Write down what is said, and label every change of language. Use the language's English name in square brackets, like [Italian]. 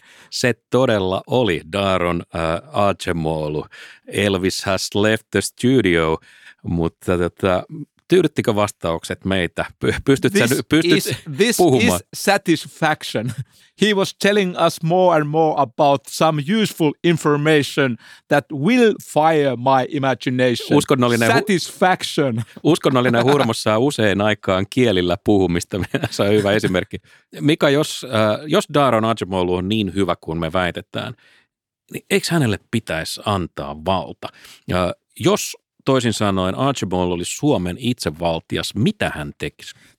[Finnish] Se todella oli Daron Acemoglu. [English] Elvis has left the studio, [Finnish] mutta tyydyttikö vastaukset meitä? Pystyt puhumaan? [English] This is satisfaction. He was telling us more and more about some useful information that will fire my imagination. Satisfaction. [Finnish] Uskonnollinen hurmos saa usein aikaan kielillä puhumista. Se on hyvä esimerkki. Mika, jos Daron Acemoglu on niin hyvä kuin me väitetään, niin eikö hänelle pitäisi antaa valta? Jos toisin sanoen Acemoglu olisi Suomen itsevaltias, mitä hän tekisi?